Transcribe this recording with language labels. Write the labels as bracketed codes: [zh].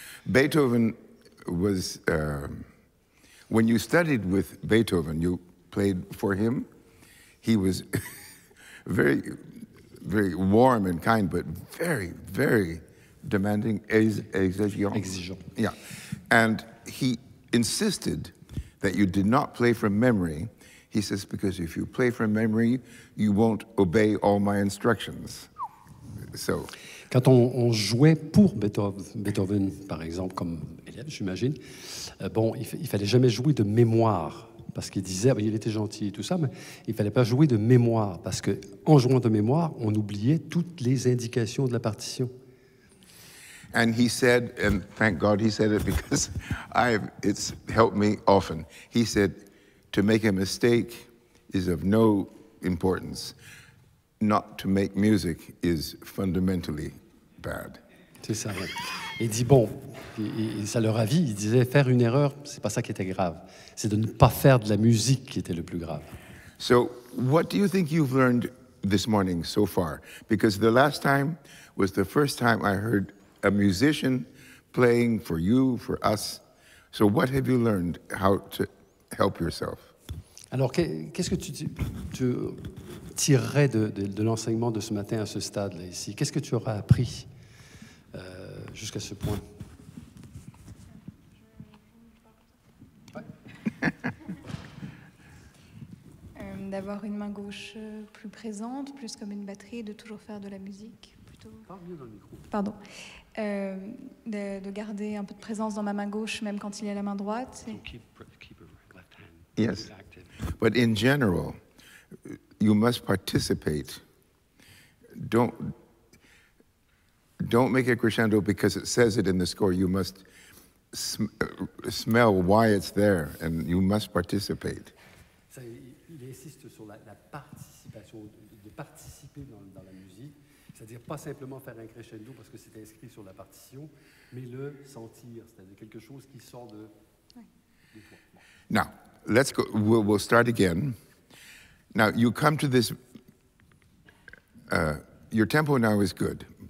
[en] Beethoven was, when you studied with Beethoven, you played for him, he was very, very warm and kind, but very, very demanding, exigeant. [fr] Exigeant. [en] Yeah. And he insisted that you did not play from memory. He says, because if you play from memory, you won't obey all my instructions. So, [fr] quand on jouait pour Beethoven, par exemple, comme élève, j'imagine, il fallait jamais jouer de mémoire, parce qu'il disait, il était gentil et tout ça, mais il fallait pas jouer de mémoire, parce qu'en jouant de mémoire, on oubliait toutes les indications de la partition. [en] And he said, and thank God he said it, because it's helped me often, he said, to make a mistake is of no importance. Not to make music is fundamentally bad. [fr] C'est ça. Ouais. Il dit bon, et ça leur avis. Il disait faire une erreur, c'est pas ça qui était grave. C'est de ne pas faire de la musique qui était le plus grave. [en] So, what do you think you've learned this morning so far? Because the last time was the first time I heard a musician playing for you, for us. So, what have you learned how to help yourself? [fr] Alors, qu'est-ce que tu tirerais de l'enseignement de ce matin à ce stade-là, ici? Qu'est-ce que tu auras appris jusqu'à ce point? D'avoir une main gauche plus présente, plus comme une batterie, de toujours faire de la musique, plutôt. Parle mieux dans le micro. Pardon. De garder un peu de présence dans ma main gauche, même quand il y a la main droite. Et... [en] Keep left hand. Yes. But in general, you must participate. Don't make a crescendo because it says it in the score. You must smell why it's there, and you must participate. [fr] Ça, il insiste sur la participation, de participer dans la musique, c'est-à-dire pas simplement faire un crescendo parce que c'est inscrit sur la partition, mais le sentir, c'est-à-dire quelque chose qui sort de toi. [en] Now. Let's go, we'll start again. Now, you come to this, your tempo now is good.